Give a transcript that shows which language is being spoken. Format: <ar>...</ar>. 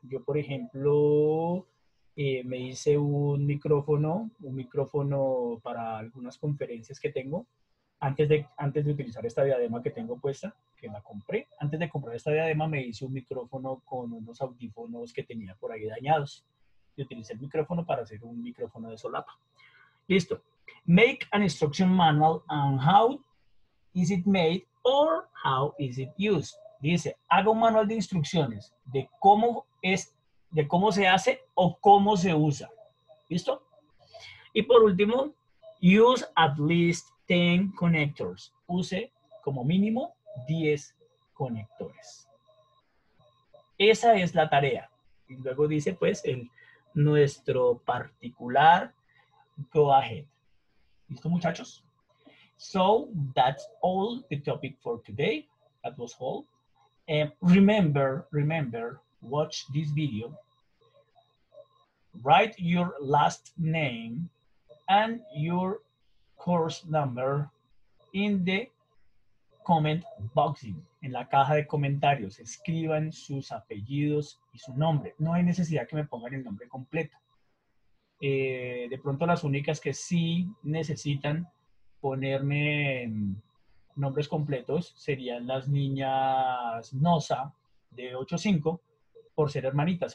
<es>Yo, por ejemplo, me hice un micrófono para algunas conferencias que tengo. Antes de utilizar esta diadema que tengo puesta, que la compré, antes de comprar esta diadema me hice un micrófono con unos audífonos que tenía por ahí dañados. Y utilicé el micrófono para hacer un micrófono de solapa. Listo.</es> <en>Make an instruction manual on how is it made or how is it used.</en> <es>Dice, hago un manual de instrucciones de cómo es, de cómo se hace o cómo se usa. ¿Listo? Y por último,</es> <en>use at least 10 connectors.</en> <es>Use como mínimo 10 conectores. Esa es la tarea. Y luego dice, pues, el nuestro particular</es> <en>go ahead.</en> <es>¿Listo, muchachos?</es> <en>So, that's all the topic for today. That was all. Remember, watch this video. Write your last name and your course number in the comment box.</en> <es>En la caja de comentarios, escriban sus apellidos y su nombre. No hay necesidad que me pongan el nombre completo. De pronto, las únicas que sí necesitan ponerme nombres completos serían las niñas Nosa de 8-5 por ser hermanitas.</es>